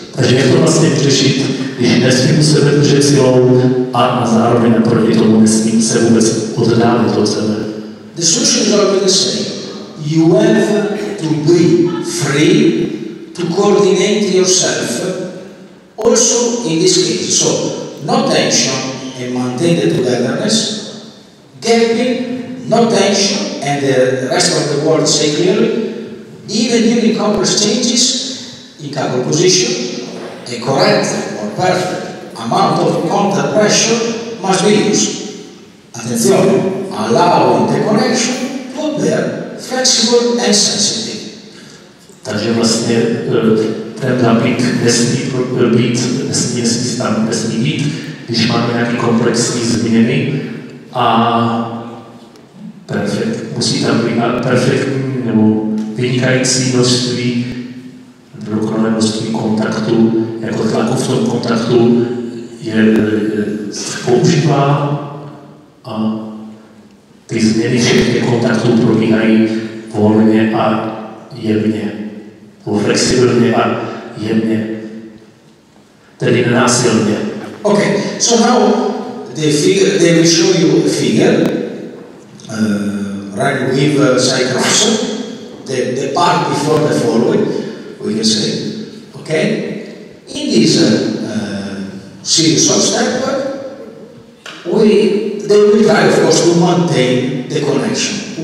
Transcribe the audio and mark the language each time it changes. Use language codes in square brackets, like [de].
[cs] Takže jak to vlastně řešit, když nesmím sebe držet silou a zároveň naproti tomu nesmím se vůbec oddálit od sebe? [en] The solution is always the same. You have to be free to coordinate yourself also in this case. So, no tension and maintain the togetherness, gapping, no tension, and the rest of the world say clearly, even during complex changes in couple position, a correct or perfect amount of contact pressure must be used. [it] Attenzione, [en] allowing the connection to appear flexible and sensitive. [cs] Takže vlastně ten nabit nesmí být, nesmí být, když máme nějaký komplexní změny a perfekt, musí tam být perfektní nebo vynikající množství dokonalé množství kontaktu, jako tlaku v tom kontaktu je používá a ty změny všechny kontaktů probíhají volně a jemně, nebo flexibilně a jemně, tedy nenásilně. [en] OK, so now the figure, they will show you a figure, right with Cyclops, the part before the following, we can say, OK? In this series of steps, they will try, of course, to maintain the connection.